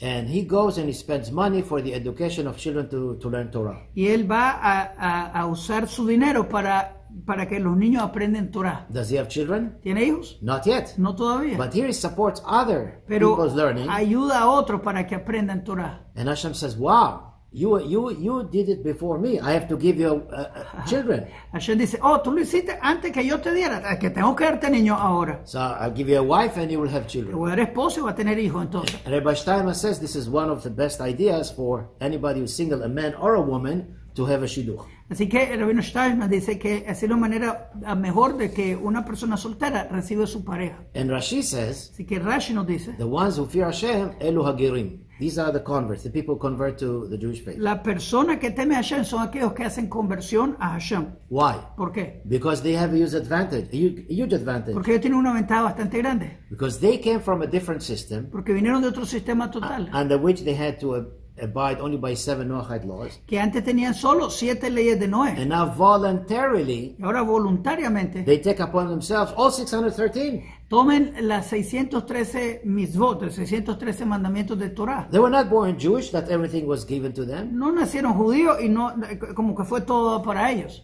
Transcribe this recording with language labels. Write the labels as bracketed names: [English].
[English] And he goes and he spends money for the education of children to learn Torah. [Spanish] Y él va a usar su dinero para que los niños aprendan Torah. [English] Does he have children? [Spanish] ¿Tiene hijos? [English] Not yet. [Spanish] No todavía. [English] But here he supports other [Spanish] Pero [English] people's learning. [Spanish] Ayuda a otros para que aprendan Torah. [English] And Hashem says, wow, you did it before me. I have to give you children. [Spanish] Hashem dice, oh, tú lo hiciste antes que yo te diera, que tengo que darte niños ahora. [English] So I'll give you a wife and you will have children. [Spanish] Voy a dar esposo y voy a tener hijos entonces. [English] Rabbi Steinman says this is one of the best ideas for anybody who's single, a man or a woman, to have a shidduch. [Spanish] Así que el Rabino Steinman dice que es la manera mejor de que una persona soltera reciba su pareja. [English] And Rashi says, [Spanish] así que Rashi nos dice, [English] the ones who fear Hashem, [Hebrew] elu hagirim. [English] These are the converts, the people convert to the Jewish faith. [Spanish] La persona que teme a Hashem son aquellos que hacen conversión a Hashem. [English] Why? [Spanish] ¿Por qué? [English] Because they have a huge advantage. A huge advantage. [Spanish] Porque ellos tienen una ventaja bastante grande. [English] Because they came from a different system. [Spanish] Porque vinieron de otro sistema total. [English] Under which they had to abide only by seven Noahide laws. [Spanish] Que antes tenían solo siete leyes de Noé. [English] And now voluntarily, [Spanish] ahora voluntariamente, [English] they take upon themselves all 613. [Spanish] Tomen las 613 mitzvot, 613 mandamientos de Torah. [English] They were not born Jewish, that everything was given to them. [Spanish] No nacieron judíos y no, como que fue todo para ellos.